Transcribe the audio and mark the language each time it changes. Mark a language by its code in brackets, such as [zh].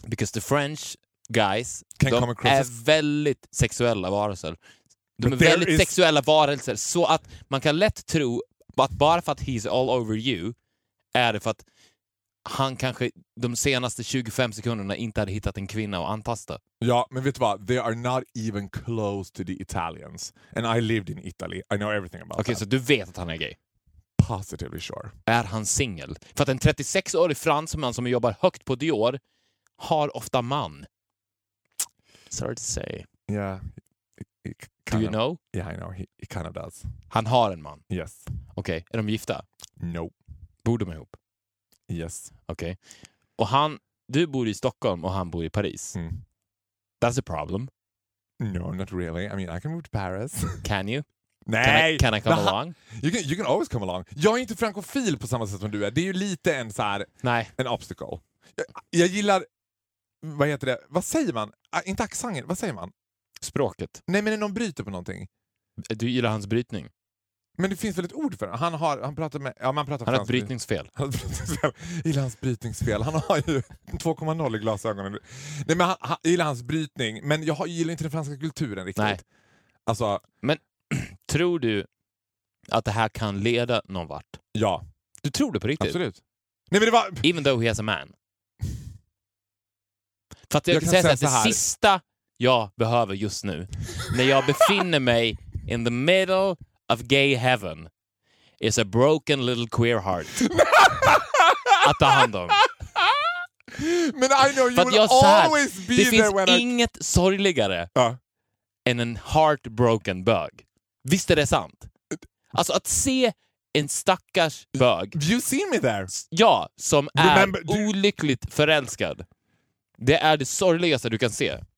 [en] Because the French guys [sv] väldigt sexuella varelser. De är väldigt sexuella varelser. Så att man kan lätt tro att bara för att [en] he's all over you [sv] är det för att han kanske de senaste 25 sekunderna inte hade hittat en kvinna att antasta. Ja, men vet du vad? [en] They are not even close to the Italians. And I lived in Italy. I know everything about that. [sv] Okej, så du vet att han är gay? [en] Positively sure. [sv] Är han singel? För att en 36-årig fransman som jobbar högt på Dior har ofta man. [en] Sorry to say. Yeah. Do you know? Yeah, I know. He kind of does. [sv] Han har en man? [en] Yes. [sv] Okej, är de gifta? [en] No. [sv] Bor de ihop? [en] Yes. [sv] Okej. Okay. Och han, du bor i Stockholm och han bor i Paris. Mm. [en] That's a problem. No, not really. I mean, I can move to Paris. Can you? Nej. Can I come along? You can always come along. [sv] Jag är inte frankofil på samma sätt som du är. Det är ju lite en så här, nej, [en] en obstacle. [sv] Jag gillar, vad heter det? Vad säger man? Inte accenten, vad säger man? Språket. Nej, men är någon bryter på någonting? Du gillar hans brytning. Men det finns väl ett ord för det? Han pratar han har ett brytningsfel. Han har ett brytningsfel. Gillar hans brytningsfel. Han har ju 2,0 i glasögonen. Nej, men han gillar hans brytning. Men jag gillar inte den franska kulturen riktigt. Nej. Alltså, men tror du att det här kan leda någon vart? Ja. Du tror det på riktigt? Absolut. Nej, men det var... [en] Even though he has a man. [sv] För att jag kan säga så här. Det sista jag behöver just nu, när jag befinner mig [en] in the middle of gay heaven, is a broken little queer heart [sv] att ta hand om. [en] Men I know you will always be there when [sv] det finns inget sorgligare än en heartbroken bög. Visst är det sant? Alltså att se en stackars bög. [en] You seen me there? [sv] Ja, som är olyckligt förälskad. Det är det sorgligaste du kan se.